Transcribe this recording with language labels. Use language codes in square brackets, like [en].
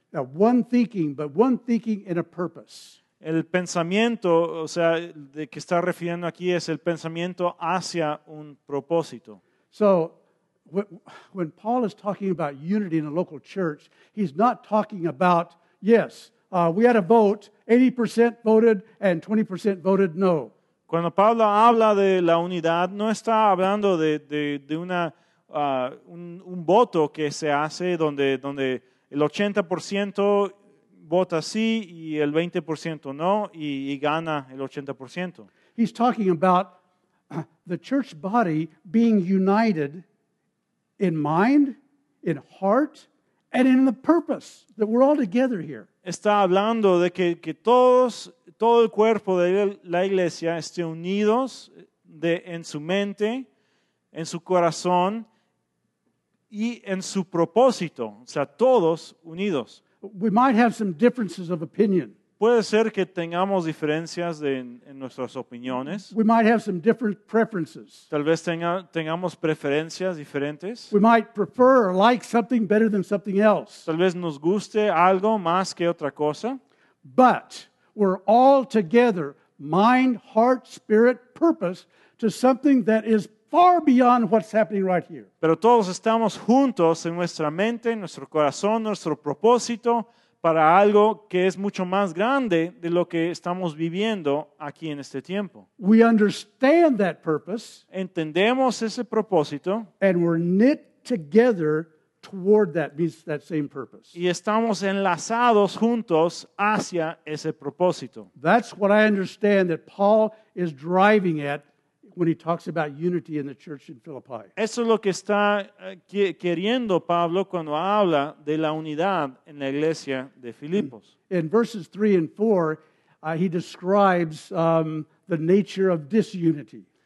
[en] Now, one thinking, but one thinking in a purpose. [es] El pensamiento, o sea, de que está refiriendo aquí es el pensamiento hacia un propósito. [en] So, when Paul is talking about unity in a local church, he's not talking about, yes, we had a vote, 80% voted and 20% voted no. [es] Cuando Pablo habla de la unidad, no está hablando de una un voto que se hace donde el 80% vota sí y el 20% no y gana el 80%. [en] He's talking about the church body being united in mind, in heart, and in the purpose that we're all together here. [es] Está hablando de que todo el cuerpo de la iglesia esté unidos en su mente, en su corazón y en su propósito. O sea, todos unidos. [en] We might have some differences of opinion. [es] Puede ser que tengamos diferencias en nuestras opiniones. [en] We might have some different preferences. [es] Tal vez tengamos preferencias diferentes. [en] We might prefer or like something better than something else. [es] Tal vez nos guste algo más que otra cosa. [en] But we're all together, mind, heart, spirit, purpose, to something that is far beyond what's happening right here. [es] Pero todos estamos juntos en nuestra mente, en nuestro corazón, nuestro propósito para algo que es mucho más grande de lo que estamos viviendo aquí en este tiempo. [en] We understand that purpose. [es] Entendemos ese propósito. [en] And we're knit together toward that same purpose. [es] Y estamos enlazados juntos hacia ese propósito. [en] That's what I understand that Paul is driving at when he talks about unity in the church in Philippi. [es] Eso es lo que está queriendo Pablo cuando habla de la unidad en la iglesia de Filipos. [en] In verses 3 and 4, he describes the nature of disunity.